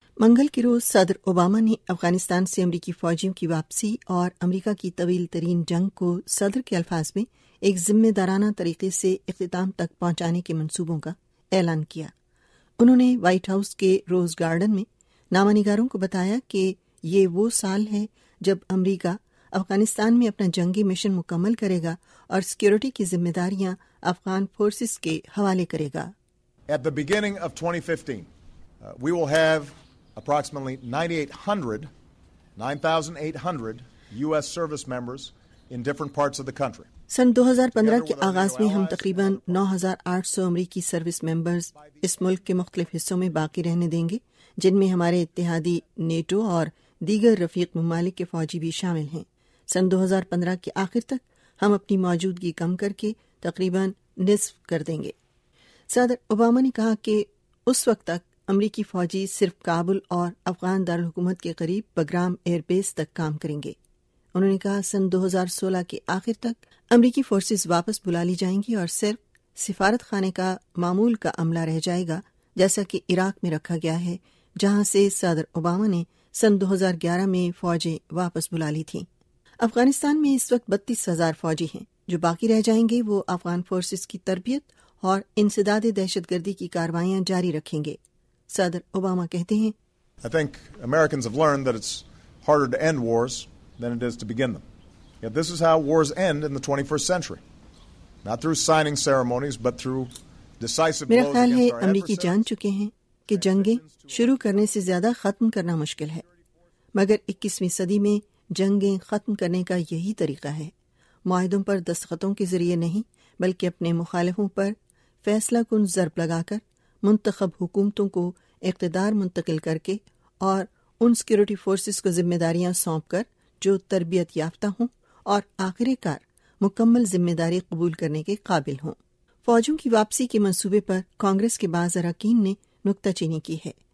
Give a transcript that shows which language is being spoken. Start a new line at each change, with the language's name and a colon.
Urdu: منگل کے روز صدر اوباما نے افغانستان سے امریکی فوجیوں کی واپسی اور امریکہ کی طویل ترین جنگ کو صدر کے الفاظ میں ایک ذمہ دارانہ طریقے سے اختتام تک پہنچانے کے منصوبوں کا اعلان کیا۔ انہوں نے وائٹ ہاؤس کے روز گارڈن میں نامہ نگاروں کو بتایا کہ یہ وہ سال ہے جب امریکہ افغانستان میں اپنا جنگی مشن مکمل کرے گا اور سیکیورٹی کی ذمہ داریاں افغان فورسز کے حوالے کرے گا۔
English: At the beginning of 2015, we will have approximately 9,800 US service members in different parts of the country.
Urdu: سن 2015 کے آغاز میں ہم تقریباً 9,800 امریکی سروس ممبرز اس ملک کے مختلف حصوں میں باقی رہنے دیں گے، جن میں ہمارے اتحادی نیٹو اور دیگر رفیق ممالک کے فوجی بھی شامل ہیں۔ سن 2015 کے آخر تک ہم اپنی موجودگی کم کر کے تقریباً نصف کر دیں گے۔ صدر اوباما نے کہا کہ اس وقت تک امریکی فوجی صرف کابل اور افغان دارالحکومت کے قریب بگرام ایئر بیس تک کام کریں گے۔ انہوں نے کہا سن 2016 کے آخر تک امریکی فورسز واپس بلا لی جائیں گی اور صرف سفارت خانے کا معمول کا عملہ رہ جائے گا، جیسا کہ عراق میں رکھا گیا ہے، جہاں سے صدر اوباما نے سن 2011 میں فوجیں واپس بلا لی تھیں۔ افغانستان میں اس وقت 32,000 فوجی ہیں، جو باقی رہ جائیں گے وہ افغان فورسز کی تربیت اور انسداد دہشت گردی کی کاروائیاں جاری رکھیں گے۔ صدر اوباما کہتے ہیں
English: I think Americans have learned that it's harder to end wars than it is to begin them. Yet this is how wars end in the 21st century. Not through signing ceremonies but through decisive blows against our enemies.
Urdu: میرا خیال ہے امریکی جان چکے ہیں کہ جنگیں شروع کرنے سے زیادہ ختم کرنا مشکل ہے، مگر 21ویں صدی میں جنگیں ختم کرنے کا یہی طریقہ ہے، معاہدوں پر دستخطوں کے ذریعے نہیں بلکہ اپنے مخالفوں پر فیصلہ کن ضرب لگا کر، منتخب حکومتوں کو اقتدار منتقل کر کے اور ان سیکیورٹی فورسز کو ذمہ داریاں سونپ کر جو تربیت یافتہ ہوں اور آخر کار مکمل ذمہ داری قبول کرنے کے قابل ہوں۔ فوجوں کی واپسی کے منصوبے پر کانگریس کے بعض اراکین نے نکتہ چینی کی ہے۔